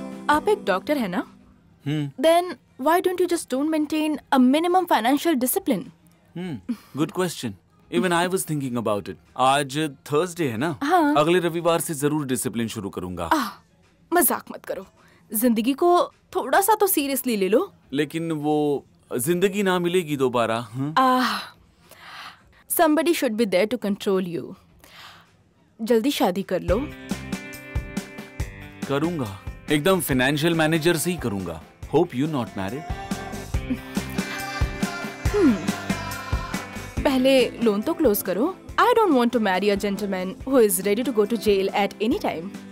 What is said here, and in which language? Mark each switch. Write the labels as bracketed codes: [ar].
[hi] आप एक डॉक्टर है ना? [en] Then why don't you just don't maintain a minimum financial discipline? Good question. Even I was thinking about it. [hi] आज Thursday है ना? हाँ। अगले रविवार से जरूर डिसिप्लिन शुरू करूंगा। मजाक मत करो, जिंदगी को थोड़ा सा तो सीरियसली ले लो। लेकिन वो जिंदगी ना मिलेगी दोबारा। [en] Somebody should be there to control you. [hi] जल्दी शादी कर लो। करूंगा, एकदम फाइनेंशियल मैनेजर से ही करूंगा। [en] Hope you not married. [hi] पहले लोन तो क्लोज करो। [en] I don't want to marry a gentleman who is ready to go to jail at any time.